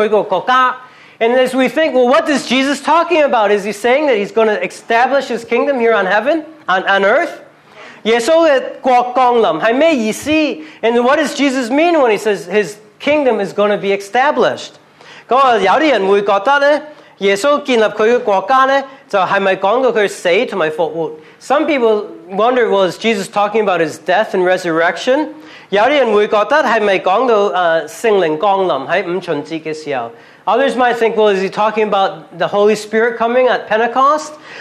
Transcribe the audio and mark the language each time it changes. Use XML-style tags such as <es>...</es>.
<en>And as we think, well, what is Jesus talking about? Is he saying that he's going to establish his kingdom here on heaven, on earth?</en> <zh>耶稣的国降临是什么意思?</zh> <en>And what does Jesus mean when he says his kingdom is going to be established?</en> <zh>有些人会觉得耶稣建立他的国家就是不是说他死和复活?</zh> <en>Some people wonder, well, is Jesus talking about his death and resurrection?</en> <zh>有些人会觉得是不是说到圣灵降临在五旬节的时候?</zh> <en>Others might think, well, is he talking about the Holy Spirit coming at Pentecost?</en>